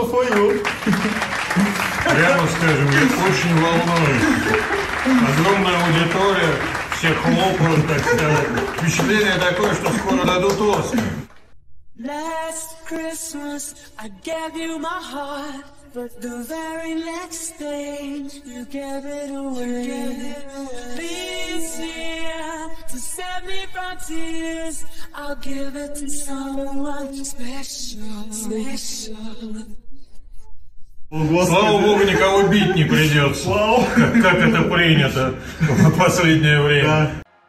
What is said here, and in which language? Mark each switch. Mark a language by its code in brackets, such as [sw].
[ru] прямо скажем, я очень волнуюсь. Огромная аудитория, все хлопают, так сказать. Впечатление такое, что скоро дадут Оскар. [en] But the very next day you gave it away. This year, to save me from tears, I'll give it to someone special. Special. [ru] Слава богу, никого бить не придется. Как это принято в последнее время.